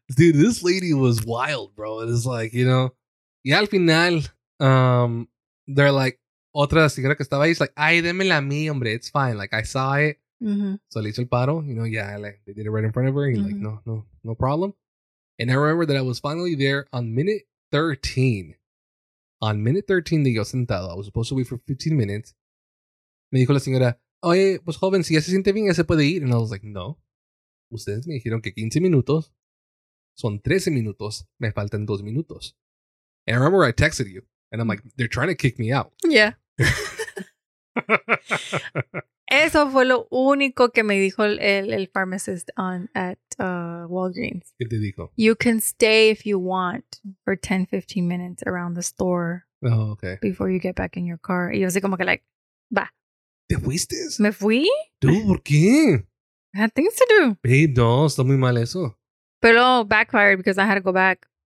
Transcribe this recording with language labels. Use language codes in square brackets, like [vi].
[en] Dude, this lady was wild, bro. It's like, you know, [es] y al final, [en] they're like, [es] otra señora que estaba ahí, [en] es like, [es] ay, démela a mí, hombre, [en] it's fine, like, I saw it, so [es] le hizo el paro, [en] you know, yeah, like, they did it right in front of her, and like, no problem. And I remember that I was finally there on minute 13 [es] de yo sentado, [en] I was supposed to wait for 15 minutes. [es] Me dijo la señora, oye, pues joven, si ya se siente bien, ya se puede ir. [en] And I was like, no. [es] Ustedes me dijeron que 15 minutos son 13 minutos. Me faltan 2 minutos. [en] And I remember I texted you. And I'm like, they're trying to kick me out. Yeah. [es] Eso fue lo único que me dijo el [en] pharmacist at Walgreens. [es] ¿Qué te dijo? [en] You can stay if you want for 10-15 minutes around the store. Oh, okay. Before you get back in your car. [es] Y yo así como que [en] like, [es] va. ¿Te fuiste? ¿Me fui? ¿Tú? ¿Por qué? [en] I had things to do. [es] Babe, no, está muy mal eso. [en] Pero backfired because I had to go back.